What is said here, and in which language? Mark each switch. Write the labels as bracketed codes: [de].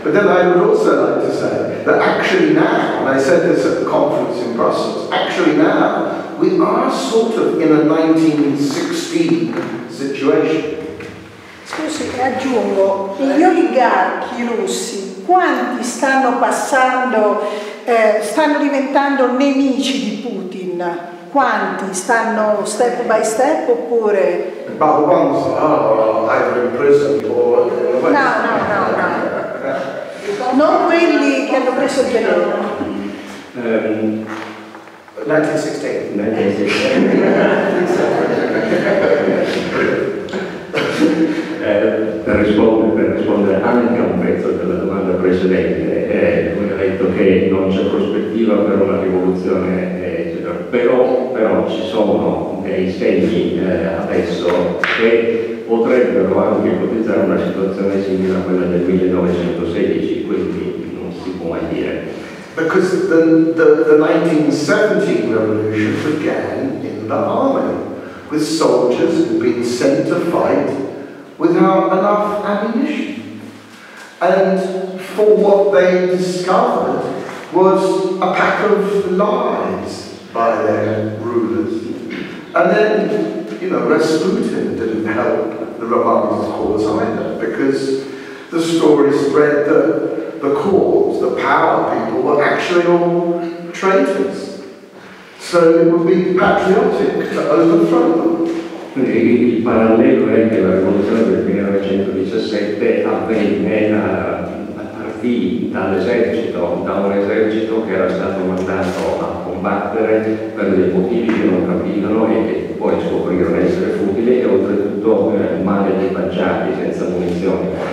[en] But then I would also like to say that actually now, and I said this at the conference in Brussels, actually now we are sort of in a 1916 situation. [it] Scusi, aggiungo, gli oligarchi russi, quanti stanno passando, stanno diventando nemici di Putin? Quanti stanno [en] step by step [it] oppure? [en] About the ones that are either in prison or in the West. No. [it] Non quelli che hanno preso il pianeta. 1916. rispondere, per rispondere anche a un pezzo della domanda precedente, come ha detto che non c'è prospettiva per una rivoluzione, eccetera. Però ci sono dei segni adesso che potrebbero anche ipotizzare una situazione simile a quella del 1916, quindi non si può mai dire. [en] Because the 1917 revolution began in the army, with soldiers who had been sent to fight without enough ammunition. And for what they discovered was a pack of lies by their rulers. And then, you know, Rasputin didn't help the Romanov cause either, because the story spread that the cause, the power people, were actually all traitors. So it would be patriotic to overthrow them. [it] Il parallelo è che la rivoluzione del 1917 avvenne a partire dall'esercito, da un esercito che era stato mandato a combattere per dei motivi che non capivano e che poi scoprirono essere futili e oltretutto male equipaggiati, senza munizioni.